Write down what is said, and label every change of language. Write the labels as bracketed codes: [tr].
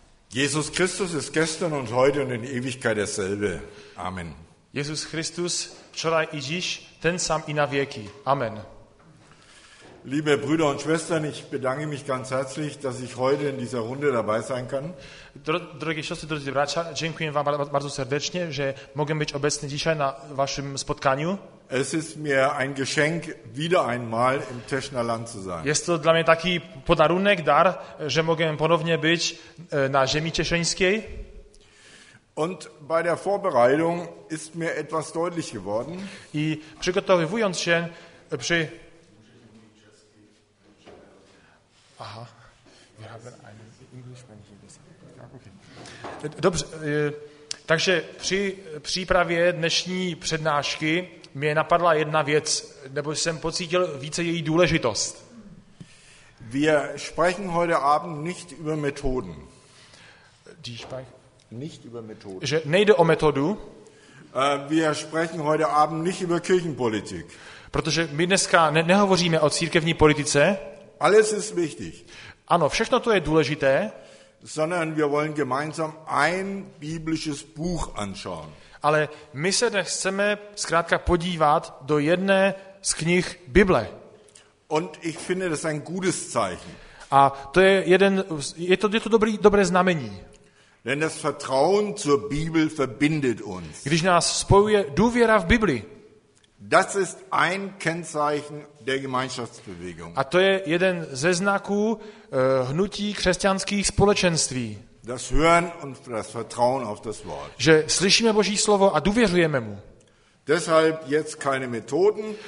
[de] Jesus Christus ist gestern und heute und in Ewigkeit derselbe. Amen. [pl] Jesus Christus, wczoraj i dziś, ten sam i na wieki. Amen. [de] Liebe Brüder und Schwestern, ich bedanke mich ganz herzlich, dass ich heute in dieser Runde dabei sein kann. [pl] Drogie siostry, drodzy bracia, dziękuję wam bardzo serdecznie, że mogę być obecny dzisiaj na waszym spotkaniu. [de] Es ist mir ein Geschenk, wieder einmal im Teschner Land zu sein. [pl] Jest to dla mnie taki podarunek, dar, że mogę ponownie być na ziemi cieszyńskiej. [de] Und bei der Vorbereitung ist mir etwas deutlich geworden. [pl] I przygotowując się przy... Aha. [de] Wir haben einen Englischmann hier. [pl] Dobrze. Także przy przyprawie [cs] dnešní přednášky mě napadla jedna věc, nebo jsem pocítil více její důležitost. [de] Wir sprechen heute Abend nicht über Methoden. Nicht über Methoden. [cs] Že nejde o metodu. [de] Wir sprechen heute Abend nicht über Kirchenpolitik. [cs] Protože my dneska nehovoříme o církevní politice. [de] Alles ist wichtig. [cs] Ano, všechno to je důležité. [de] Sondern wir wollen gemeinsam ein biblisches Buch anschauen. [cs] Ale my se chceme zkrátka podívat do jedné z knih Bible. [de] Und ich finde das ein gutes Zeichen. [cs] A to je jeden, je to dobré znamení. [de] Denn das Vertrauen zur Bibel verbindet uns. [cs] Když nás spojuje důvěra v Bibli. [de] Das ist ein Kennzeichen der Gemeinschaftsbewegung. [cs] A to je jeden ze znaků hnutí křesťanských společenství. [de] Das Hören und das Vertrauen auf das Wort. [cs] Že slyšíme Boží slovo a důvěřujeme mu. [de] Deshalb jetzt keine Methoden.